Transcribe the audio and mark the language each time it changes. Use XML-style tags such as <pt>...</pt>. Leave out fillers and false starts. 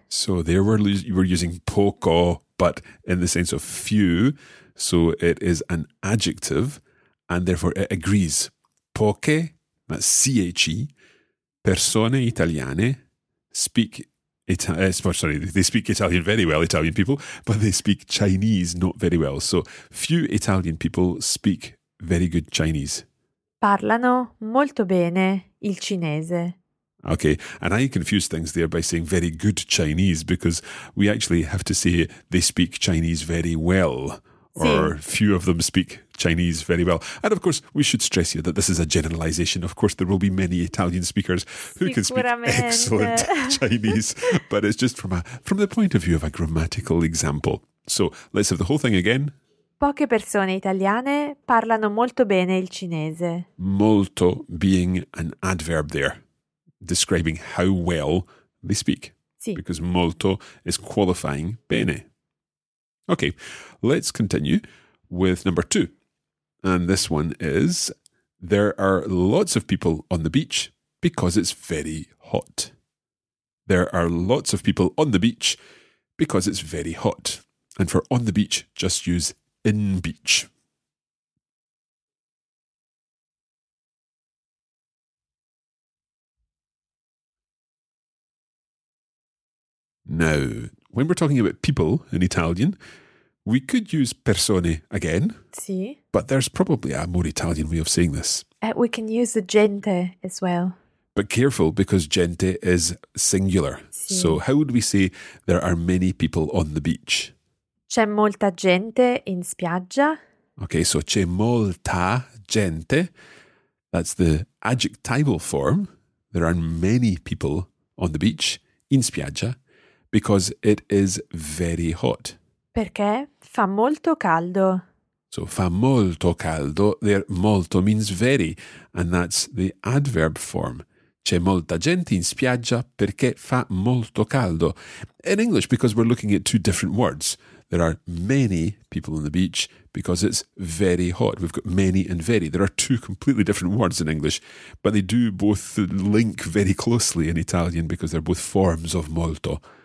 <en>So there we're using poco, but in the sense of few, so it is an adjective, and therefore it agrees. Poche, that's C-H-E,</en> <it>persone italiane,</it> <en>speak Italian, sorry, they speak Italian very well, Italian people, but they speak Chinese not very well. So few Italian people speak very good Chinese.</en> <it>parlano molto bene il cinese.</it> <en>Okay, and I confuse things there by saying very good Chinese, because we actually have to say they speak Chinese very well, or few of them speak Chinese very well. And of course, we should stress here that this is a generalization. Of course, there will be many Italian speakers who can speak excellent Chinese, but it's just from the point of view of a grammatical example. So let's have the whole thing again.</en> <it>Poche persone italiane parlano molto bene il cinese.</it> <en>Molto being an adverb there, describing how well they speak.</en> <it>Sì.</it> <en>Because molto is qualifying bene. Okay, let's continue with number two. And this one is, there are lots of people on the beach because it's very hot. There are lots of people on the beach because it's very hot. And for on the beach, just use in beach. Now, when we're talking about people in Italian, we could use persone again. Sì. But there's probably a more Italian way of saying this. We can use the gente as well. But careful, because gente is singular. Sì. So how would we say there are many people on the beach?</en> <it>C'è molta gente in spiaggia.</it> <en>Okay, so</en> <it>c'è molta gente.</it> <en>That's the adjectival form. There are many people on the beach</en> <it>in spiaggia.</it> <en>Because it is very hot.</en> <it>Perché fa molto caldo.</it> <en>So</en> <it>fa molto caldo.</it> <en>There, molto means very. And that's the adverb form.</en> <it>C'è molta gente in spiaggia perché fa molto caldo.</it> <en>In English, because we're looking at two different words. There are many people on the beach because it's very hot. We've got many and very. There are two completely different words in English, but they do both link very closely in Italian because they're both forms of molto.</en>